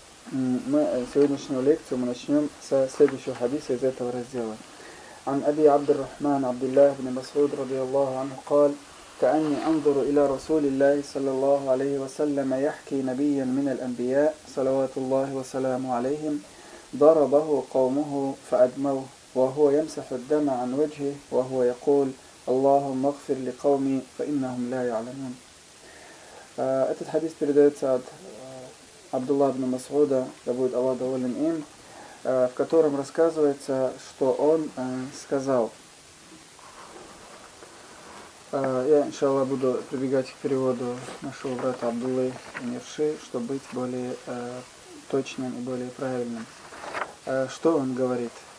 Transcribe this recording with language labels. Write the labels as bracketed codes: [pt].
[ru] Сегодняшнюю лекцию мы начнем со следующего хадиса из этого раздела. [ar] عن أبي عبد الرحمن عبد الله بن مسعود رضي الله عنه قال كأني أنظر إلى رسول الله صلى الله عليه وسلم يحكي نبيا من الأنبياء صلوات الله وسلامه عليهم ضربه قومه فأدموه وهو يمسح الدم عن وجهه وهو يقول اللهم اغفر لقومي فإنهم لا يعلمون. [ru] Этот хадис передается от Абдулла ибн Масуда, да будет Аллах доволен им, в котором рассказывается, что он сказал, я, иншаллах, буду прибегать к переводу нашего брата Абдуллы Нирши, чтобы быть более точным и более правильным. Что он говорит?